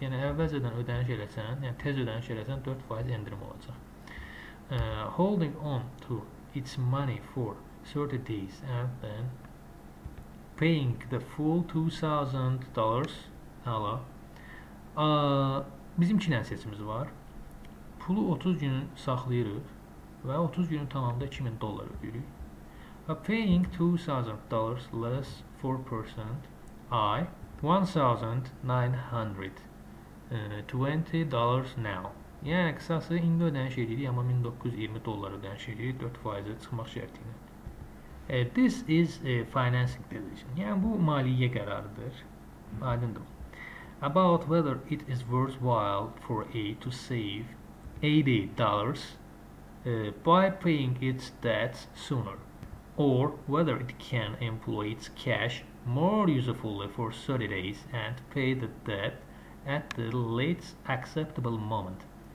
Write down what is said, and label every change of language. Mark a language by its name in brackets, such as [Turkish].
[Azerbaijani] Yəni əvvəlcədən ödəniş eləsən, yəni tez ödəniş eləsən 4% endirim olacaq. [English] Holding on to its money for 30 days and then paying the full $2,000. [Azerbaijani] Hala. Bizim iki nəsiyyətimiz var. Pulu 30 gün saxlayırıq və 30 günün tamamında 2000 dollar ödəyirik. [English] Paying $2,000 less 4% I $1,920 now. [Azerbaijani] Yəni qısası indi ödəniş edirik amma 1920 dollar ödəniş edirik 4% çıxmaq şərti ilə. [English] This is a financing decision. [Azerbaijani] Yəni bu maliyyə qərarıdır. Aydındır. [English] About whether it is worthwhile for A to save $80 by paying its debts sooner, or whether it can employ its cash more usefully for 30 days and pay the debt at the least acceptable moment.